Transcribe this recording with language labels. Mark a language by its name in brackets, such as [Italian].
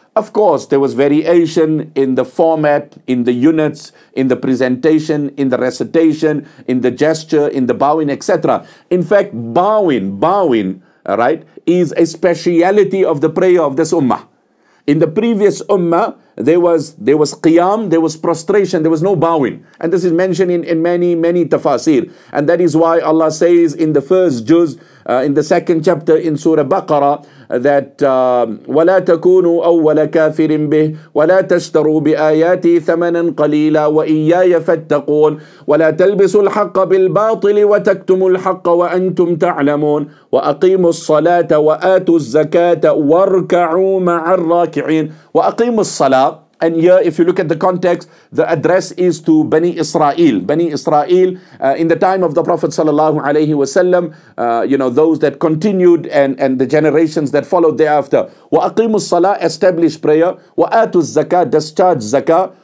[English] Of course, there was variation in the format, in the units, in the presentation, in the recitation, in the gesture, in the bowing, etc. In fact, bowing, right, is a speciality of the prayer of this ummah. In the previous ummah, there was qiyam, there was prostration, there was no bowing. And this is mentioned in many, many tafasir. And that is why Allah says in the first juz, in the second chapter in Surah Baqarah, that [Arabic] وَلَا تَكُونُوا أَوَّلَ كَافِرٍ بِهِ وَلَا تَشْتَرُوا بِآيَاتِي ثَمَنًا قَلِيلًا وَإِيَّايَ فَاتَّقُونَ وَلَا تَلْبِسُوا الْحَقَّ بِالْبَاطِلِ وَتَكْتُمُوا الْحَقَّ وَأَنْتُمْ تَعْلَمُونَ وَأَقِيمُوا الصَّلَاةَ وَآتُوا الزَّكَاةَ وَارْكَعُوا مَعَ الرَّاكِعِينَ وَأَقِيمُوا الصَّلَاةَ. [English] And here, if you look at the context, the address is to Bani Israel. Bani Israel, in the time of the Prophet sallallahu alayhi wasallam, those that continued and the generations that followed thereafter. [Arabic] Wa aqimu salah, [English] establish prayer. [Arabic] Wa atu zakah, [English] discharge zakah.